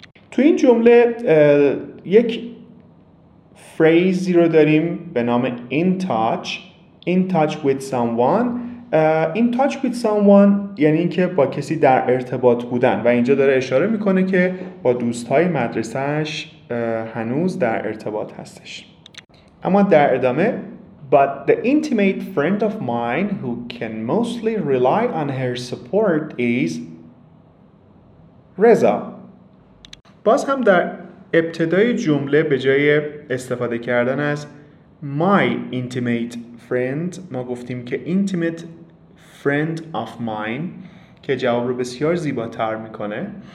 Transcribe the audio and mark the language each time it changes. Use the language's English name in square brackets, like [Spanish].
[Persian] تو این جمله یک فریزی رو داریم به نام [English] in touch with someone. In touch with someone [Persian] یعنی اینکه با کسی در ارتباط بودن و اینجا داره اشاره میکنه که با دوستهای مدرسهش هنوز در ارتباط هستش. اما در ادامه [English] But the intimate friend of mine who can mostly rely on her support is Reza. [Persian] باز هم در ابتدای جمله به جای استفاده کردن از [English] my intimate friend [Persian] ما گفتیم که [English] intimate friend of mine [Persian] که جواب رو بسیار زیباتر میکنه.